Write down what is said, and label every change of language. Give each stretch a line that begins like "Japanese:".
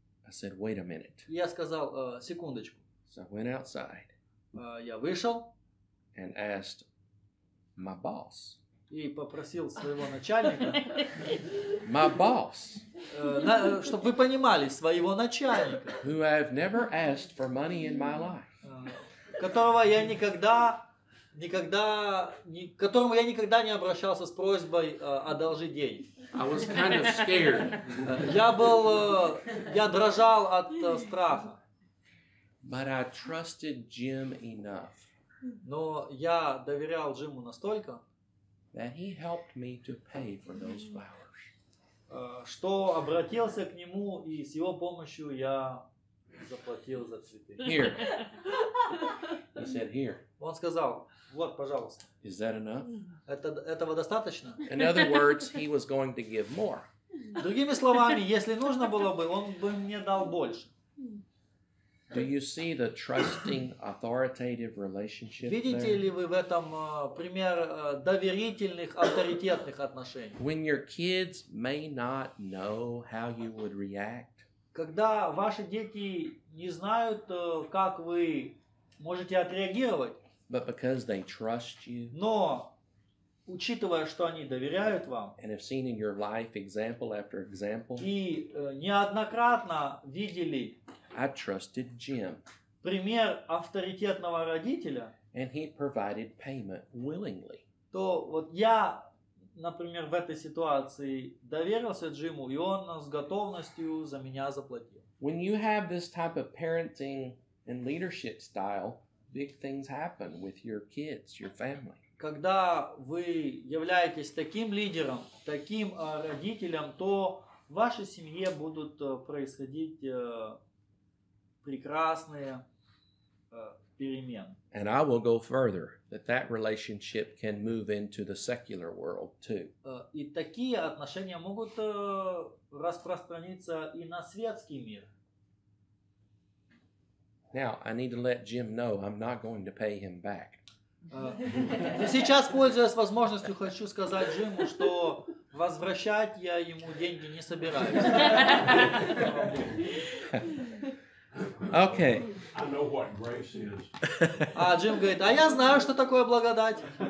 English: I said, wait a minute.
Russian: Я сказал, секундочку.
English: So I went outside.
Russian: Я вышел.
English: And asked my boss.
Russian: И попросил своего начальника.
English: My boss.
Russian: Чтобы вы понимали, своего начальника.
English: Who I have never asked for money in my life.
Russian: Которого я никогда, к которому я никогда не обращался с просьбой одолжить денег.
English: I was kind of scared.
Russian: Я дрожал от страха.
English: But I trusted Jim enough.
Russian: Но я доверял Джиму настолько,
English: that he helped me to pay for those flowers.
Russian: Что обратился к нему, и с его помощью я заплатил за цветы.
English: Here. He said, here.
Russian: Он сказал, вот, пожалуйста.
English: Is that enough?
Russian: Этого достаточно?
English: In other words, he was going to give more.
Russian: Другими словами, если нужно было бы, он бы мне дал больше.
English: Do you see the trusting, authoritative relationship?
Russian: Видите
English: there?
Russian: Ли вы в этом пример доверительных, авторитетных отношений?
English: When your kids may not know how you would react.
Russian: Когда ваши дети не знают, как вы можете отреагировать.
English: But because they trust you.
Russian: Но, учитывая, что они доверяют вам.
English: And have seen in your life example after example.
Russian: И неоднократно видели.
English: I trusted Jim.
Russian: пример авторитетного родителя,
English: and he provided payment willingly.
Russian: То вот я, например, в этой ситуации доверился Джиму, и он с готовностью за меня заплатил.
English: When you have this type of parenting and leadership style, big things happen with your kids, your family.
Russian: Когда вы являетесь таким лидером, таким родителем, то в вашей семье будут происходить прекрасные перемены.
English: And I will go further, that relationship can move into the secular world too.
Russian: И такие отношения могут распространиться и на светский мир.
English: Now, I need to let Jim know I'm not going to pay him back.
Russian: Сейчас, пользуясь возможностью, хочу сказать Джиму, что возвращать я ему деньги не собираюсь.
English: Okay. I know what grace is.
Russian: А Джим говорит, а я знаю, что такое благодать.